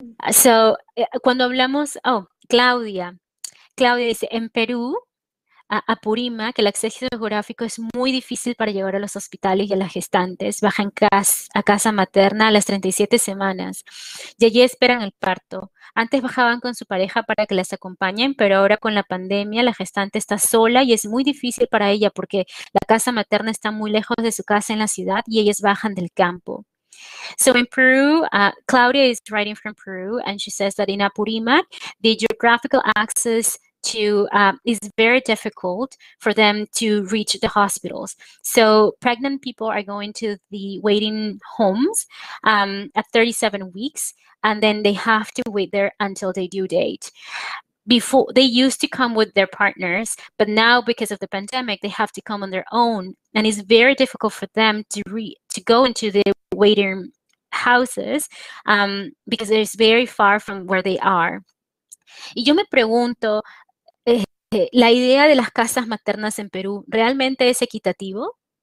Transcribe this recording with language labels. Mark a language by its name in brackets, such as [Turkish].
[Spanish] So, cuando hablamos, Claudia dice, en Perú, Apurima, que el acceso geográfico es muy difícil para llegar a los hospitales y a las gestantes, bajan a casa materna a las 37 semanas y allí esperan el parto. Antes bajaban con su pareja para que las acompañen, pero ahora con la pandemia la gestante está sola y es muy difícil para ella porque la casa materna está muy lejos de su casa en la ciudad y ellas bajan del campo. [English] So in Peru, Claudia is writing from Peru and she says that in Apurimac, the geographical access to is very difficult for them to reach the hospitals. So pregnant people are going to the waiting homes at 37 weeks. And then they have to wait there until their due date. Before, they used to come with their partners, but now because of the pandemic, they have to come on their own. And it's very difficult for them to go into the waiting houses because it's very far from where they are. [Spanish] Y yo me pregunto, ¿la idea de las casas maternas en Perú realmente es equitativo?